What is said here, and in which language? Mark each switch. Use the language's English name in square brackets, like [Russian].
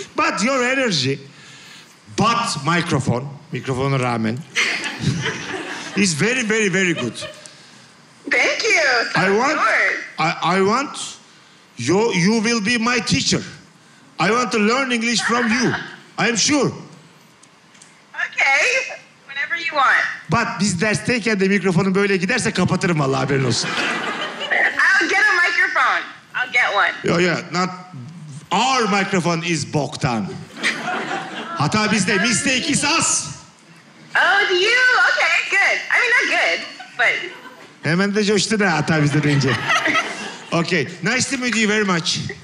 [English] But your energy, but microphone, [Turkish] mikrofonu rağmen, [English] is very, very, very good. Thank you. That's I want you will be my teacher. I want to learn English from you. I am sure. Okay. Whenever you want. [Turkish] But biz dersteyken de mikrofonum böyle giderse kapatırım vallahi haberin olsun. [English] I'll get a microphone. I'll get one. Yeah, yeah. Not... Our microphone is boktan. [Turkish] Hata bizde. [English] Mistake is us. Oh, it's you. Okay, good. I mean, not good, but... [Turkish] Hemen de coştu da hata bizde deyince. [English] Okay, nice to meet you very much.